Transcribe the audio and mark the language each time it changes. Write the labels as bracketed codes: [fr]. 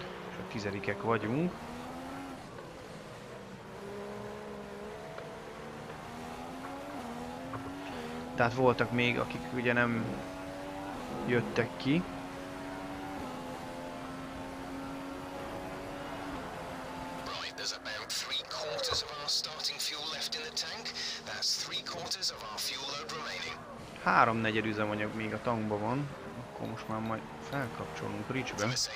[hu] És a tizedikek vagyunk. Tehát voltak még, akik ugye nem jöttek ki. [en] Right, there's about 3/4 of our starting fuel left in the tank. That's 3/4 of our fuel load remaining. [hu] 3/4 üzemanyag még a tankban van. Akkor most már majd felkapcsolunk Richbe.